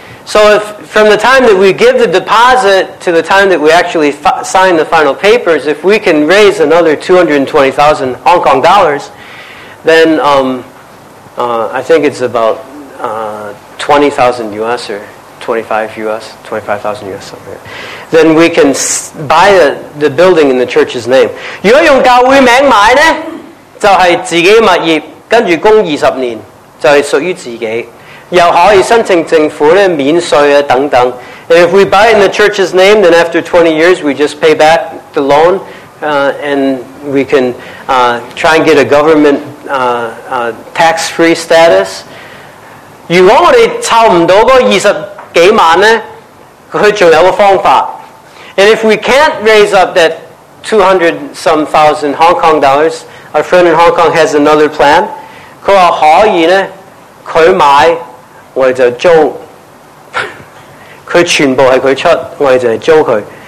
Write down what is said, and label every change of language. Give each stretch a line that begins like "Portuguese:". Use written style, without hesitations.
English: So from the time that we give the deposit to the time that we actually sign the final papers, if we can raise another 220,000 Hong Kong dollars, then I think it's about 20,000 US or 25,000 US, something. Then we can buy the building in the church's name.
Cantonese: 如果用教會名買咧？就是自己物業，跟住供20年，就是屬於自己，又可以申請政府咧免税啊等等。
English: And if we buy in the church's name, then after 20 years, we just pay back the loan, and we can try and get a government tax-free status.
Cantonese: 如果我哋湊唔到嗰20,000+咧，佢仲有個方法。
English: And if we can't raise up that 200,000+ Hong Kong dollars. Our friend in Hong Kong has another plan.
Cantonese: 佢話可以咧，佢買我哋就租，佢全部係佢出，我哋就係租佢。